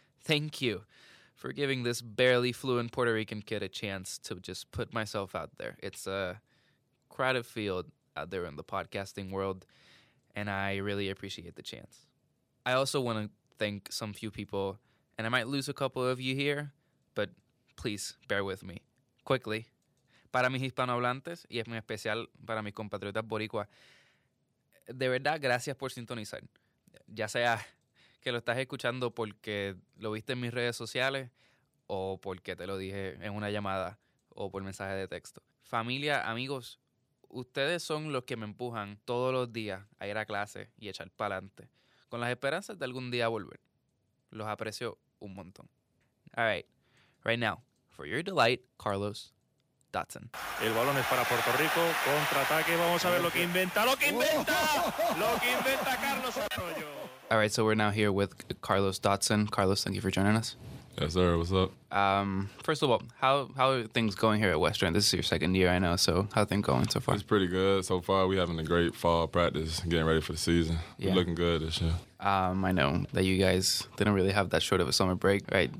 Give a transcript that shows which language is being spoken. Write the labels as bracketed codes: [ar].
[en] Thank you for giving this barely fluent Puerto Rican kid a chance to just put myself out there. It's a crowded field out there in the podcasting world, and I really appreciate the chance. I also want to thank some few people, and I might lose a couple of you here, but please bear with me. Quickly. [es] Para mis hispanohablantes, y es muy especial para mis compatriotas boricua, de verdad, gracias por sintonizar. Ya sea que lo estás escuchando porque lo viste en mis redes sociales o porque te lo dije en una llamada o por mensaje de texto. Familia, amigos, ustedes son los que me empujan todos los días a ir a clase y echar pa'lante con las esperanzas de algún día volver. Los aprecio un montón. [en] All right. Right now, for your delight, Carlos Dotson. [es] El balón es para Puerto Rico, contraataque, vamos a ver lo que inventa Carlos Arroyo. [en] All right, so we're now here with Carlos Dotson. Carlos, thank you for joining us. Yes, sir, what's up? First of all, how are things going here at Western? This is your second year, I know, so how are things going so far? It's pretty good so far. We're having a great fall practice, getting ready for the season. Yeah. We're looking good this year. I know that you guys didn't really have that short of a summer break, right?